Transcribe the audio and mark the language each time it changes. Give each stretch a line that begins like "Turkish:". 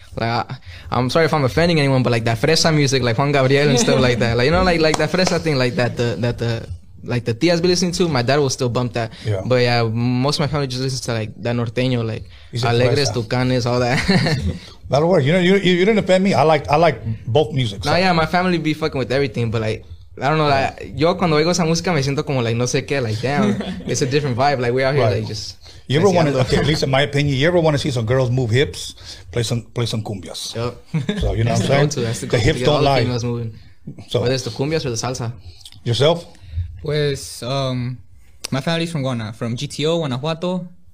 English: Like, I'm sorry if I'm offending anyone, but like that fresa music, like Juan Gabriel and stuff like that. Like, you know, like that fresa thing, like that, like the tia's been listening to, my dad will still bump that. Yeah. But yeah, most of my family just listens to like that Norteño, like Alegres, Tucanes, all that. That'll work. You know, you didn't offend me. I like both music. Nah, yeah, my family be fucking with everything, but like, I don't know.
Spanish: Like, yo, cuando oigo esa música, me siento como like no sé qué.
English: Like, damn, it's a different vibe. Like, we're out here like just. You ever want to? Okay, at least in my opinion, you ever want to see some girls move hips? Play some cumbias. Yep. So you know what I'm saying. The hips don't lie. So whether it's the cumbias or the salsa. Yourself? Pues, my family's from GTO, Guanajuato.